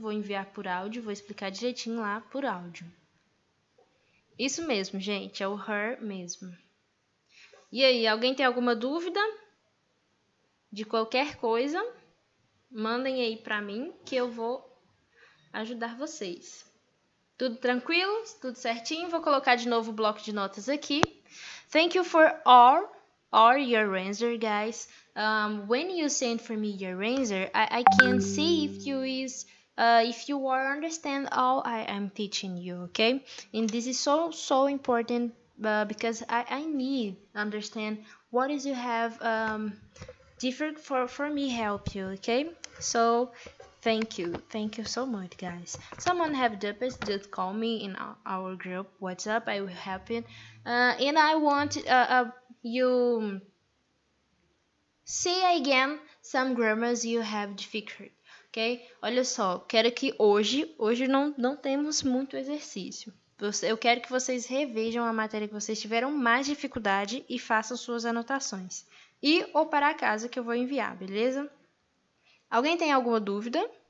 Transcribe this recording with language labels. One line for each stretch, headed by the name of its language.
Portuguese: Vou enviar por áudio, vou explicar direitinho lá por áudio. Isso mesmo, gente. É o her mesmo. E aí, alguém tem alguma dúvida? De qualquer coisa, mandem aí pra mim que eu vou ajudar vocês. Tudo tranquilo? Tudo certinho? Vou colocar de novo o bloco de notas aqui.
English: Thank you for all your answer, guys. When you send for me your answer, I can see if you is... if you are understand all I'm teaching you, okay? And this is so, so important because I need understand what is you have... different for me help you, okay? So, thank you. Thank you so much, guys. Someone have dupes, just call me in our group. What's up? I will help you. And I want you see again some grammars you have difficult. Ok?
Portuguese: Olha só, quero que hoje não temos muito exercício. Eu quero que vocês revejam a matéria que vocês tiveram mais dificuldade e façam suas anotações. E ou para casa que eu vou enviar, beleza? Alguém tem alguma dúvida?